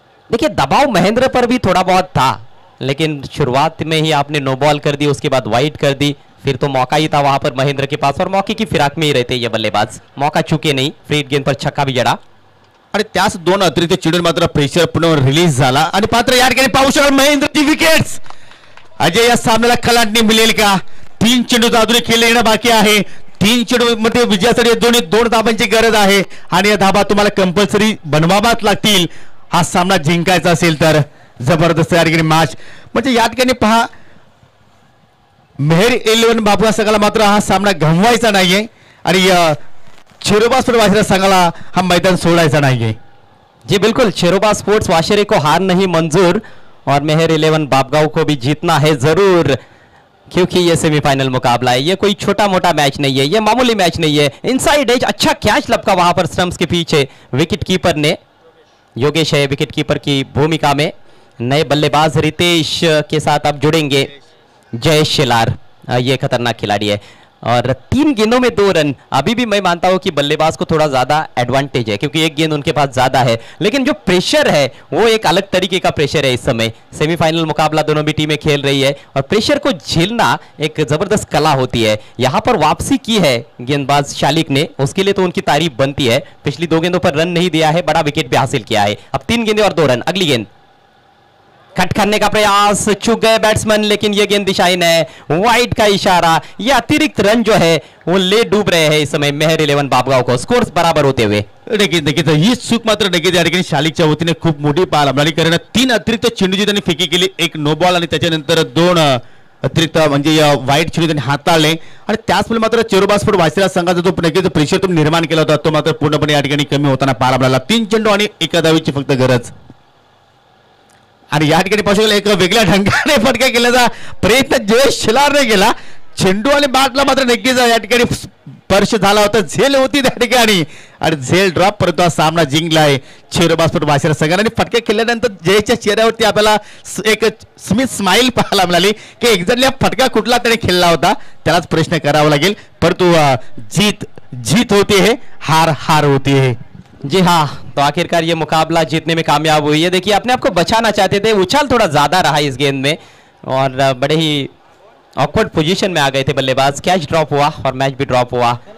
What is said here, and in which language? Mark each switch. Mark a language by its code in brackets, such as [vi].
[hi] देखिए दबाव महेंद्र पर भी थोड़ा बहुत था, लेकिन शुरुआत में ही आपने नो बॉल कर दी, उसके बाद वाइड कर दी, फिर तो मौका ही था वहां पर महेंद्र के पास और मौके की फिराक में ही रहते ये बल्लेबाज. मौका चुके नहीं, फ्री गेंद पर छक्का भी जड़ा [mr] आणि त्यास 2 अतिरिक्त चेंडू मात्र प्रेशर पूर्ण रिलीज झाला आणि पात्र या ठिकाणी पाहू शकाल महेंद्र ची विकेट्स. अजय या सामन्याला खलाटणी मिळेल का, 3 चेंडू अजून खेळले येणं बाकी आहे. 3 चेंडू मध्ये विजयासाठी दोन्ही 2 धाबांची गरज आहे आणि या धाबा तुम्हाला कंपल्सरी बनवावाच लागतील हा सामना जिंकायचा असेल तर. जबरदस्त या ठिकाणी मॅच म्हणजे या ठिकाणी पहा मेहर 11 बाबू सगळ्याला मात्र हा सामना गमवायचा नाहीये आणि चेरोबासपूर वाशिरे संघाला हा मैदान सोडायचा नाहीये. [hi] जी बिल्कुल, चेरोबा स्पोर्ट्स वाशिरे को हार नहीं मंजूर और मेहर 11 बाबगाव को भी जीतना है जरूर, क्योंकि ये सेमीफाइनल मुकाबला है, ये कोई छोटा मोटा मैच नहीं है, ये मामूली मैच नहीं है. इनसाइड एज, अच्छा कैच लपका वहां पर स्टंप्स के पीछे विकेट कीपर ने, योगेश है विकेट कीपर की भूमिका में. नए बल्लेबाज रितेश के साथ अब जुड़ेंगे जयेश शिलार, ये खतरनाक खिलाड़ी है और 3 गेंदों में 2 रन. अभी भी मैं मानता हूं कि बल्लेबाज को थोड़ा ज्यादा एडवांटेज है क्योंकि 1 गेंद उनके पास ज्यादा है, लेकिन जो प्रेशर है वो एक अलग तरीके का प्रेशर है. इस समय सेमीफाइनल मुकाबला दोनों भी टीमें खेल रही है और प्रेशर को झेलना एक जबरदस्त कला होती है. यहां पर वापसी की है गेंदबाज शालिक ने, उसके लिए तो उनकी तारीफ बनती है. पिछली 2 गेंदों पर रन नहीं दिया है, बड़ा विकेट भी हासिल किया है. अब 3 गेंदे और 2 रन, अगली गेंद कट करने का प्रयास, चुक गए बैट्समैन, लेकिन यह गेंद दिशाहीन है, वाइड का इशारा. यह अतिरिक्त रन जो है वो ले डूब रहे हैं इस समय मेहर 11 बाबगांव को, स्कोर्स बराबर होते हुए. [mr] देखिए ही चूक मात्र देखिए शालिकच्या वतीने खूप मोठी पाळ आंबली, कारण 3 अतिरिक्त चेंडू जी त्यांनी फेकी केली, 1 नो बॉल आणि त्याच्यानंतर 2 अतिरिक्त म्हणजे वाईट चेंडू त्यांनी हाताळले आणि त्याचमुळे मात्र चेरोबासपूर वाशिरा संघाचा जो नक्कीच प्रेशर तुम्ही निर्माण केला होता तो मात्र पूर्णपणे या ठिकाणी कमी होताना पाळ आंबला. 3 चेंडू आणि 1 धावीची फक्त गरज आणि या ठिकाणी पाहू शकला एक वेगळ्या ढंगाने फटका केल्याचा प्रयत्न जयेश शिलारने केला. चेंडू आणि बॅटला मात्र नक्कीच या ठिकाणी स्पर्श झाला होता, झेल होती त्या ठिकाणी आणि झेल ड्रॉप परत हा सामना जिंकलाय चेरोबासपूर वाशिरा संघाने. आणि फटका केल्यानंतर जयेशच्या चेहऱ्यावरती आपल्याला एक स्मित स्माईल पाहायला मिळाली की एक्झॅक्टली हा फटका कुठला त्याने खेळला होता त्यालाच प्रश्न करावा लागेल. [hi] परंतु जीत जीत होती है, हार हार होती है. जी हाँ, तो आखिरकार ये मुकाबला जीतने में कामयाब हुई है. देखिए अपने आप को बचाना चाहते थे, उछाल थोड़ा ज्यादा रहा इस गेंद में और बड़े ही ऑकवर्ड पोजीशन में आ गए थे बल्लेबाज, कैच ड्रॉप हुआ और मैच भी ड्रॉप हुआ।